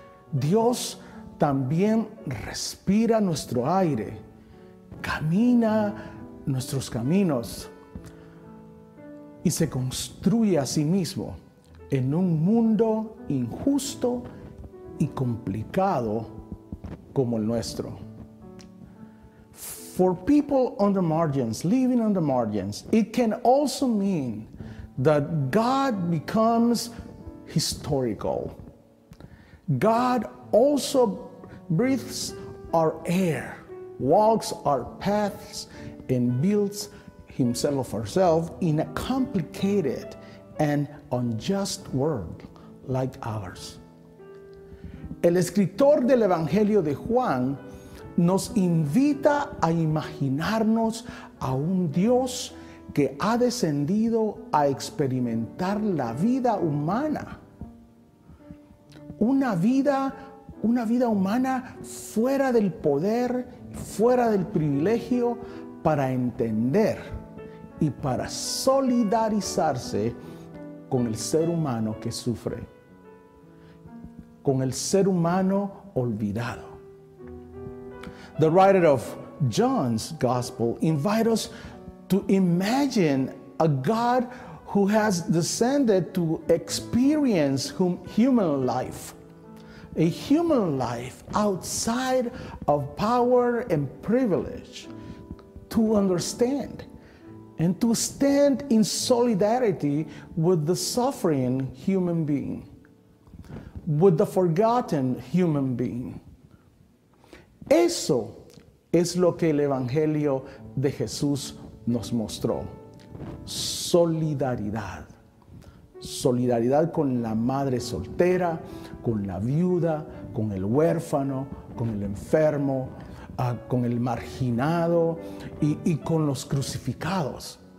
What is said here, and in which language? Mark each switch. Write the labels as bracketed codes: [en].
[es] Dios también respira nuestro aire, camina nuestros caminos y se construye a sí mismo en un mundo injusto y complicado como el nuestro. [en] For people on the margins, living on the margins, it can also mean that God becomes historical. God also breathes our air, walks our paths, and builds himself or herself in a complicated and unjust world like ours. [es] El escritor del Evangelio de Juan nos invita a imaginarnos a un Dios que ha descendido a experimentar la vida humana. Una vida humana fuera del poder, fuera del privilegio, para entender y para solidarizarse con el ser humano que sufre, con el ser humano olvidado. [en] The writer of John's Gospel invites us to imagine a God who has descended to experience human life. A human life outside of power and privilege, to understand and to stand in solidarity with the suffering human being, with the forgotten human being. [es] Eso es lo que el Evangelio de Jesús nos mostró. Solidaridad. Solidaridad con la madre soltera, con la viuda, con el huérfano, con el enfermo, con el marginado y con los crucificados.